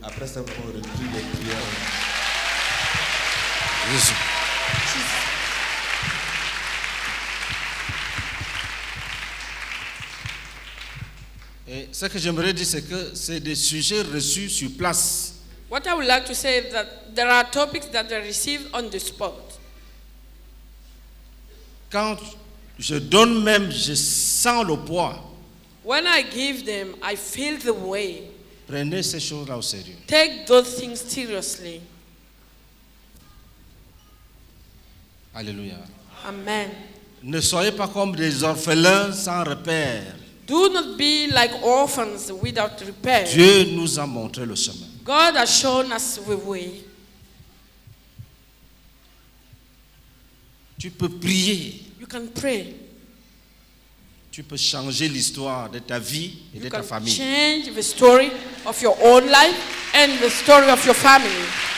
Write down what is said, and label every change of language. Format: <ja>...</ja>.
<fr>Après ça, on reprit les prières. Jésus. Et ce que j'aimerais dire, c'est que c'est des sujets reçus sur place.</fr> <en>What I would like to say is that there are topics that are received on the spot.</en> <fr>Quand je donne même, je sens le poids.</fr> <en>When I give them, I feel the way.</en> <fr>Prenez ces choses-là au sérieux.</fr> <en>Take those things seriously.</en> <fr>Alléluia. Amen. Ne soyez pas comme des orphelins sans repère.</fr> <en>Do not be like orphans without repair.</en> <fr>Dieu nous a montré le chemin.</fr> <en>God has shown us the way.</en> <fr>Tu peux prier.</fr> <en>You can pray.</en> <fr>Tu peux changer l'histoire de ta vie et</fr> <en>you</en> <fr>de ta famille.</fr> <en>You can change the story of your own life and the story of your family.</en>